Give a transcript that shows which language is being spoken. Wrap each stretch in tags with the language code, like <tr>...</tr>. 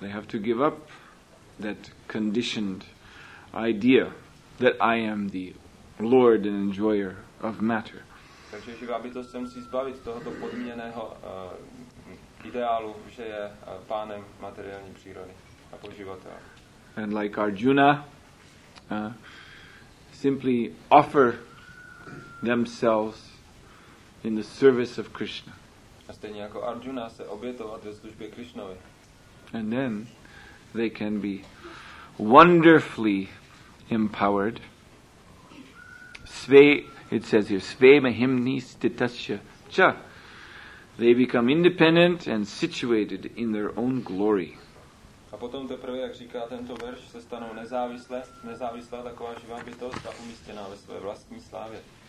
<en>they have to give up that conditioned idea that I am the lord and enjoyer of matter.</en> <cs>Takže živá bytost se musí zbavit tohoto podmíněného ideálu, že je pánem materiální přírody a poživatele.</cs> <en>And like Arjuna, simply offer themselves in the service of Krishna.</en> <cs>A stejně jako Arjuna se obětovat ve službě Krišnovi.</cs> <en>And then they can be wonderfully empowered. It says here,</en> <sa>Sve mahimni stitasya cha.</sa> <en>They become independent and situated in their own glory.</en> <cs>A potom teprve, jak říká tento verš, se stanou nezávislé, nezávislá taková živá bytost a umístěná ve své vlastní slávě.</cs>